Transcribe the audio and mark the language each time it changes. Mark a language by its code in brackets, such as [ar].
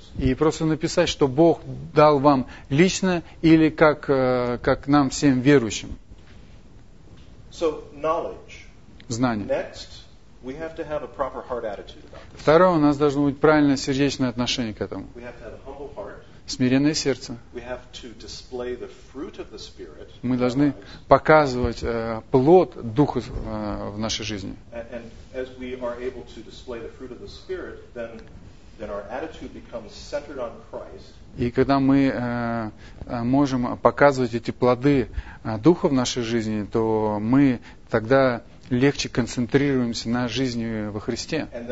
[ru] И просто написать, что Бог дал вам лично или как нам всем верующим. [en] So, knowledge. [ru] Знания. [en] Next, we have to have a proper heart attitude about this. [ru] Второе, у нас должно быть правильное сердечное отношение к этому. [en] We have to have a humble heart. [ru] смиренное сердце. [en] We have to display the fruit of the Spirit. [ru] Мы должны показывать плод Духа в нашей жизни. [en] And as we are able to display the fruit of the Spirit, then our attitude becomes centered on Christ. [ru] И когда мы можем показывать эти плоды Духа в нашей жизни, то мы тогда легче концентрируемся на жизни во Христе.